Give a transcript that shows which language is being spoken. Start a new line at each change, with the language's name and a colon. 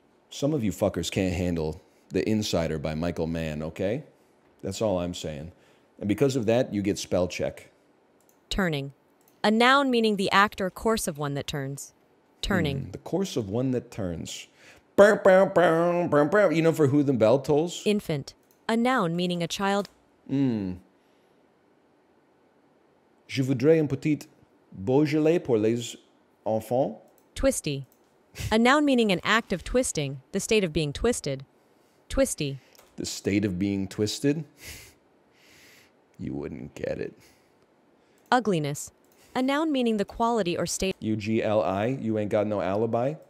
English: Some of you fuckers can't handle The Insider by Michael Mann, okay? That's all I'm saying. And because of that, you get spell check. Turning. A noun meaning the act or course of one that turns. Turning. The course of one that turns. Burr, burr, burr, burr, burr. You know for who the bell tolls? Infant. A noun meaning a child.
French: Je voudrais un petit Beaujolais pour les enfants.
English: Twisty. A noun meaning an act of twisting, the state of being twisted. Twisty. The state of being twisted? You wouldn't get it. Ugliness. A noun meaning the quality or state. Ugly. You ain't got no alibi.